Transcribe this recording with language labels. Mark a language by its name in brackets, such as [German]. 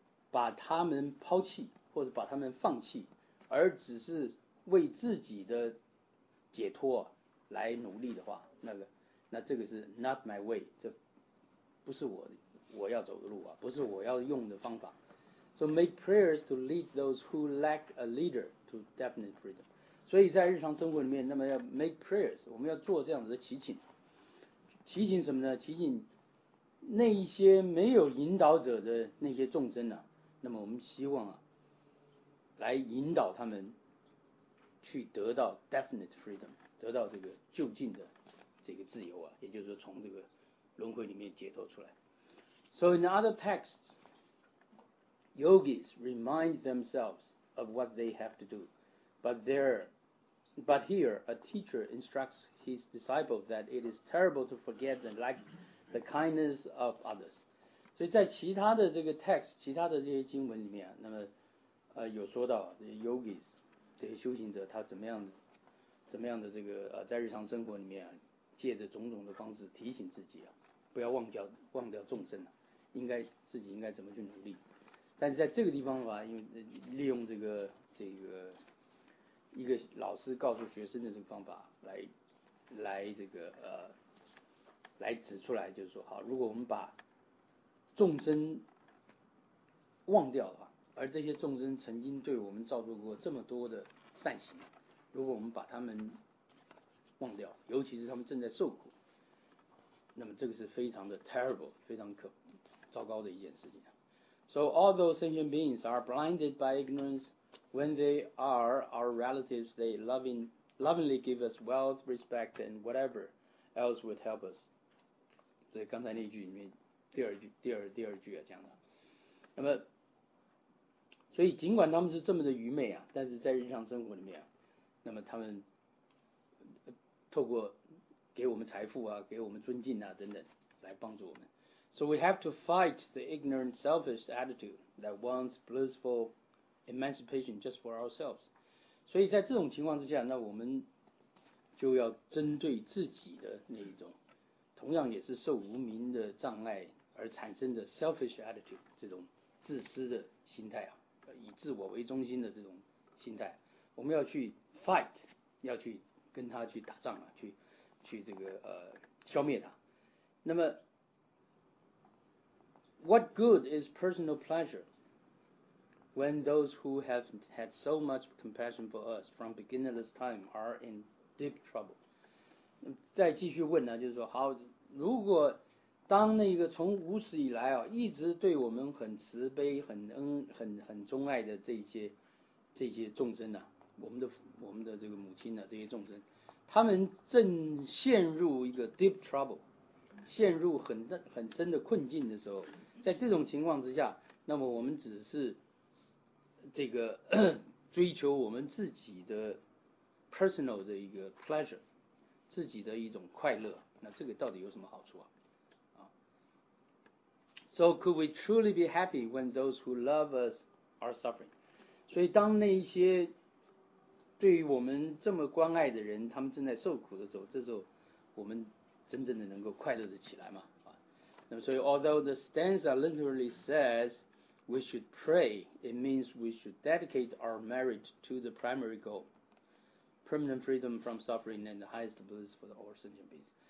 [Chinese] 把他们抛弃或者把他们放弃，而只是为自己的解脱、啊、来努力的话，那这个是 [English] not my way， [Chinese] 这不是我要走的路啊，不是我要用的方法。 [English] So make prayers to lead those who lack a leader to definite freedom. [Chinese] 所以在日常生活里面，那么要 [English] make prayers， [Chinese] 我们要做这样子的祈请。祈请什么呢？祈请那一些没有引导者的那些众生啊，那么我们希望啊，来引导他们去得到 [English] definite freedom， [Chinese] 得到这个就近的这个自由啊，也就是说从这个轮回里面解脱出来。 [English] So in other texts, yogis remind themselves of what they have to do. But here, a teacher instructs his disciples that it is terrible to forget and lack the kindness of others. [Chinese] 所以在其他的这个 text, 其他的这些经文里面，那么有说到 yogis, 这些修行者他怎么样的这个在日常生活里面借着种种的方式提醒自己啊，不要忘掉众生啊。应该自己应该怎么去努力，但是在这个地方的话，因为利用这个一个老师告诉学生的这个方法来这个来指出来，就是说好，如果我们把众生忘掉的话，而这些众生曾经对我们造作过这么多的善行，如果我们把他们忘掉，尤其是他们正在受苦，那么这个是非常的 [English] terrible， [Chinese] 非常可糟糕的一件事情。 [English] So although sentient beings are blinded by ignorance, when they are our relatives, they lovingly give us wealth, respect, and whatever else would help us. [Chinese] 所以刚才那句里面第二句啊讲的。那么，所以尽管他们是这么的愚昧啊，但是在日常生活里面啊，那么他们透过给我们财富啊，给我们尊敬啊等等，来帮助我们。 [English] So we have to fight the ignorant, selfish attitude that wants blissful emancipation just for ourselves. [Chinese] 所以在这种情况之下，那我们就要针对自己的那一种，同样也是受无明的障碍而产生的 [English] selfish attitude [Chinese] 这种自私的心态啊，以自我为中心的这种心态，我们要去 [English] fight， [Chinese] 要去跟他去打仗啊，去这个消灭他。那么 [English] What good is personal pleasure when those who have had so much compassion for us from beginningless time are in deep trouble? [Chinese] 再继续问呢，就是说，好，如果当那个从无始以来啊，一直对我们很慈悲、很钟爱的这些众生呢、啊，我们的这个母亲呢、啊，这些众生，他们正陷入一个 [English] deep trouble， [Chinese] 陷入很深的困境的时候，在这种情况之下，那么我们只是这个追求我们自己的 [English] personal [Chinese] 的一个 [English] pleasure， [Chinese] 自己的一种快乐，那这个到底有什么好处啊？ [English] So could we truly be happy when those who love us are suffering？ [Chinese] 所以当那一些对于我们这么关爱的人，他们正在受苦的时候，这时候我们真正的能够快乐的起来嘛？啊，那么所以 [English] although the stanza literally says we should pray, it means we should dedicate our marriage to the primary goal, permanent freedom from suffering and the highest bliss for all sentient beings.